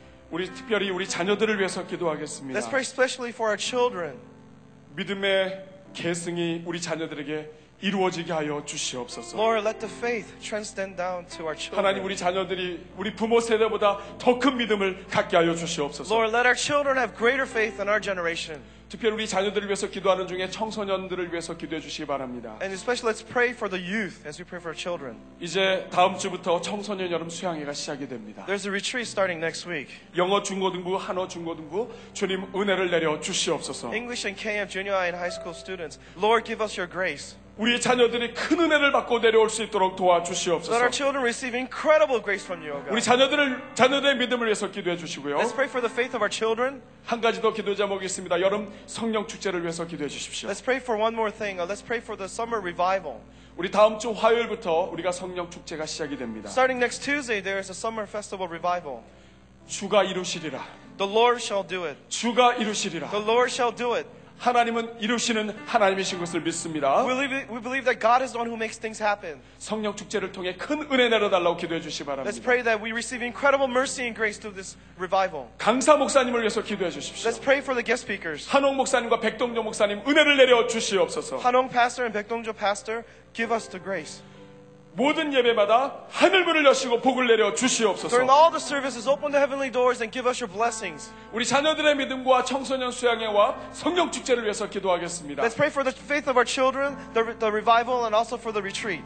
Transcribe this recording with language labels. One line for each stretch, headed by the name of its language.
Korean: 우리 특별히 우리 자녀들을 위해서 기도하겠습니다.
English: Let's pray especially for our children.
Korean: 믿음의 계승이 우리 자녀들에게 이루어지게 하여 주시옵소서.
English: Lord, let the faith transcend down to our children.
Korean: 하나님, 우리 자녀들이 우리 부모 세대보다 더 큰 믿음을 갖게 하여 주시옵소서.
English: Lord, let our children have greater faith than our generation.
Korean: 특별히 우리 자녀들을 위해서 기도하는 중에 청소년들을 위해서 기도해 주시기 바랍니다.
English: And especially let's pray for the youth as we pray for our children.
Korean: 이제 다음 주부터 청소년 여름 수양회가 시작이 됩니다.
English: There's a retreat starting next week.
Korean: 영어 중고등부, 한어 중고등부 주님 은혜를 내려 주시옵소서.
English: English and KF junior high and high school students, Lord give us your grace.
Korean: 우리 자녀들이 큰 은혜를 받고 내려올 수 있도록 도와주시옵소서.
English: Let our children receive incredible grace from you, O God.
Korean: 우리 자녀들의 믿음을 위해서 기도해 주시고요.
English: Let's pray for the faith of our children.
Korean: 한 가지 더 기도 제목 있습니다. 여름 성령 축제를 위해서 기도해 주십시오.
English: Let's pray for one more thing. Let's pray for the summer revival.
Korean: 우리 다음 주 화요일부터 우리가 성령 축제가 시작이 됩니다.
English: Starting next Tuesday, there is a summer festival revival.
Korean: 주가 이루시리라.
English: The Lord shall do it.
Korean: 주가 이루시리라.
English: The Lord shall do it.
Korean: 하나님은 이루시는 하나님이신 것을 믿습니다.
English: We believe that God is the one who makes things happen.
Korean: 성령 축제를 통해 큰 은혜 내려달라고 기도해 주시 바랍니다.
English: Let's pray that we receive incredible mercy and grace through this revival.
Korean: 강사 목사님을 위해서 기도해 주십시오.
English: Let's pray for the guest speakers.
Korean: 한홍 목사님과 백동조 목사님 은혜를 내려 주시옵소서.
English: 한홍 pastor and 백동조 pastor, give us the grace.
Korean: 모든 예배마다 하늘 문을 여시고 복을 내려 주시옵소서.
English: During all the services, open the heavenly doors and give us your blessings.
Korean: 우리 자녀들의 믿음과 청소년 수양회와 성령 축제를 위해서 기도하겠습니다.
English: Let's pray for the faith of our children, the revival, and also for the retreat.